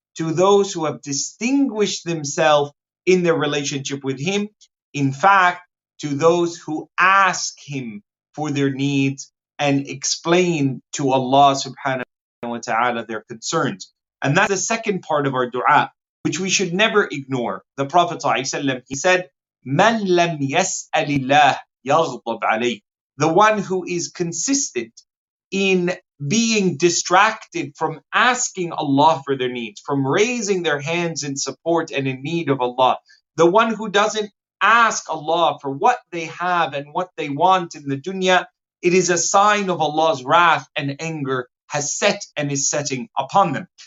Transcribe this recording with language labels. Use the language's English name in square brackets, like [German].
[English] To those who have distinguished themselves in their relationship with Him. In fact, to those who ask Him for their needs and explain to Allah subhanahu wa ta'ala their concerns. And that's the second part of our dua, which we should never ignore. The Prophet ﷺ, he said, [Arabic] مَنْ لَمْ يَسْأَلِ اللَّهِ يَغْضَبْ عَلَيْهِ. [English] The one who is consistent in being distracted from asking Allah for their needs, from raising their hands in support and in need of Allah, the one who doesn't ask Allah for what they have and what they want in the dunya, it is a sign of Allah's wrath and anger has set and is setting upon them.